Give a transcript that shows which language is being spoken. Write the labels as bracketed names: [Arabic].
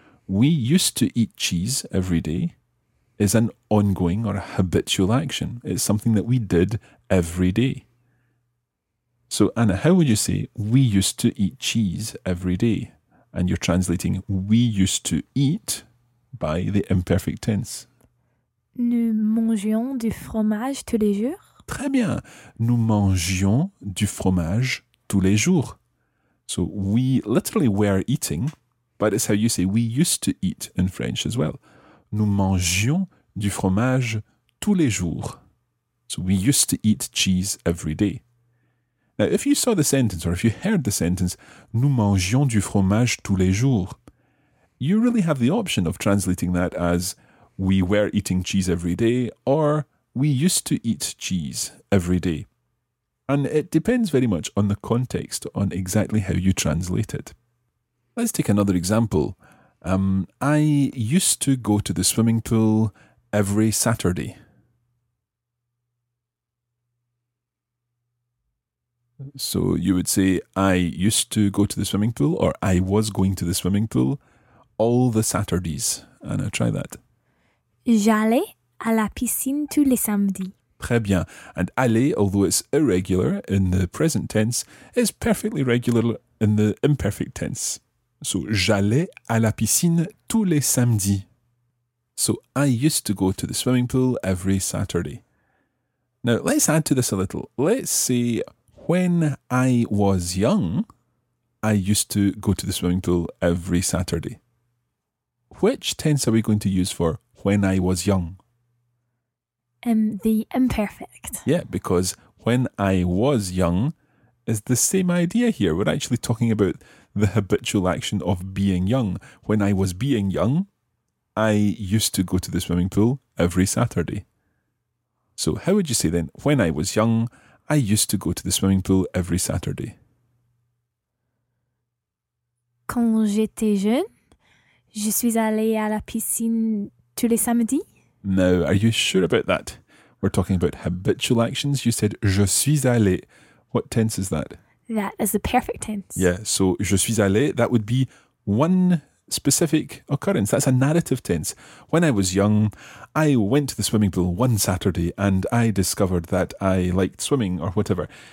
[English] We used to eat cheese every day is an ongoing or a habitual action. It's something that we did every day. So, Anna, how would you say we used to eat cheese every day? And you're translating we used to eat by the imperfect tense. [French] Nous mangeons du fromage tous les jours. Très bien. Nous mangeons du fromage tous les jours. [English] So, we literally were eating, but it's how you say we used to eat in French as well. [French] Nous mangeons du fromage tous les jours. [English] So, we used to eat cheese every day. Now, if you saw the sentence, or if you heard the sentence, [French] nous mangeons du fromage tous les jours, [English] you really have the option of translating that as we were eating cheese every day, or we used to eat cheese every day. And it depends very much on the context, on exactly how you translate it. Let's take another example. I used to go to the swimming pool every Saturday. So you would say, I used to go to the swimming pool, or I was going to the swimming pool all the Saturdays. Anna, try that. [French] J'allais à la piscine tous les samedis. Très bien. [English] And aller, although it's irregular in the present tense, is perfectly regular in the imperfect tense. [French] So j'allais à la piscine tous les samedis. [English] So I used to go to the swimming pool every Saturday. Now let's add to this a little. Let's say... When I was young, I used to go to the swimming pool every Saturday. Which tense are we going to use for when I was young? The imperfect. Yeah, because when I was young is the same idea here. We're actually talking about the habitual action of being young. When I was being young, I used to go to the swimming pool every Saturday. So how would you say then, when I was young... I used to go to the swimming pool every Saturday. [French] Quand j'étais jeune, je suis allé à la piscine tous les samedis. [English] Now, are you sure about that? We're talking about habitual actions. You said, [French] je suis allé. [English] What tense is that? That is the perfect tense. Yeah, so [French] je suis allé, [English] that would be one specific occurrence. That's a narrative tense. When I was young, I went to the swimming pool one Saturday and I discovered that I liked swimming or whatever.